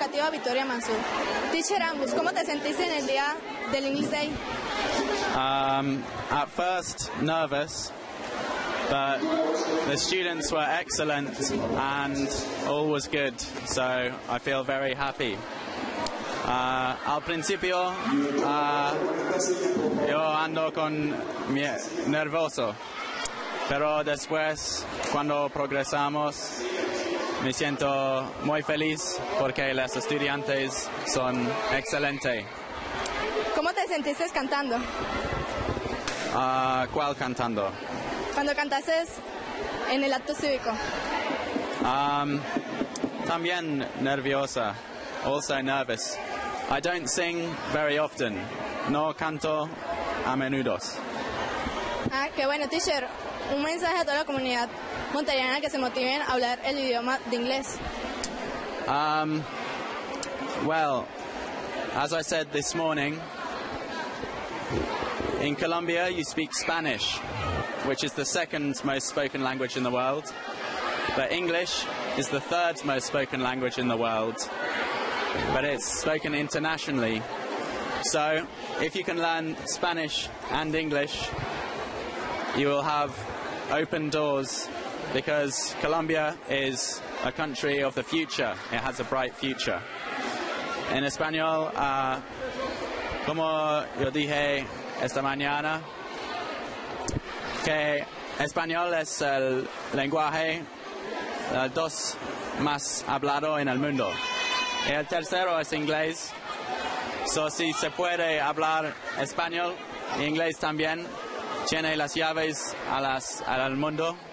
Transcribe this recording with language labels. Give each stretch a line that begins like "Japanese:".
Spanish: Victoria Mansur. Teacher Angus, ¿cómo te sentiste en el día del English Day?
English: At first, nervous, but the students were excellent and all was good, so I feel very happy.
Spanish: Al principio, yo ando con nervioso, pero después, cuando progresamos, me siento muy feliz porque los estudiantes son excelentes. ¿Cómo te sentiste cantando? ¿Cuál cantando? Cuando cantaste en el acto cívico. También nerviosa,
English: also nervous. I don't sing very often.
Spanish: No canto a menudo. Ah, qué bueno, teacher. Un mensaje a toda la comunidad montañana que se motiven a hablar el idioma de inglés.
English: Well, as I said this morning, in Colombia you speak Spanish, which is the second most spoken language in the world. But English is the third most spoken language in the world. But it's spoken internationally. So if you can learn Spanish and English, you will have open doors, because Colombia is a country of the future. It has a bright future.
Spanish: En español, como yo dije esta mañana, que español es el lenguaje dos más hablado en el mundo. Y el tercero es inglés. So si se puede hablar español e inglés también, tiene las llaves al mundo.